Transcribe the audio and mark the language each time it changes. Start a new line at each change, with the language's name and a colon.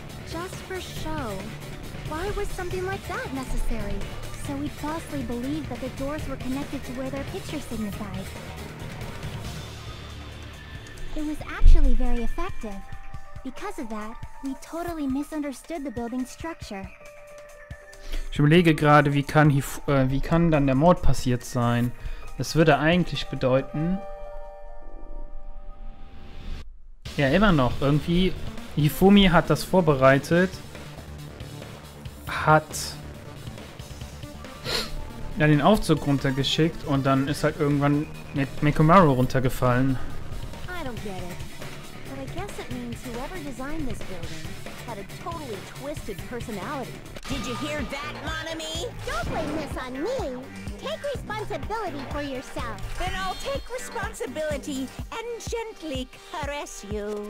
English: Just for show? Why was something like that necessary? So we falsely believe that the doors were connected to where their picture signified. It was actually very effective. Because of that, we totally misunderstood the building's structure.
German: Ich überlege gerade, wie kann dann der Mord passiert sein? Das würde eigentlich bedeuten, ja, immer noch irgendwie, Hifumi hat das vorbereitet, hat ja den Aufzug runtergeschickt und dann ist halt irgendwann mit Mekomaru runtergefallen.
English: I don't get it, but I guess it means whoever designed this building had a totally twisted personality. Did you hear that, Monami? Don't blame this on me. Take responsibility for yourself. Then I'll take responsibility and gently caress you.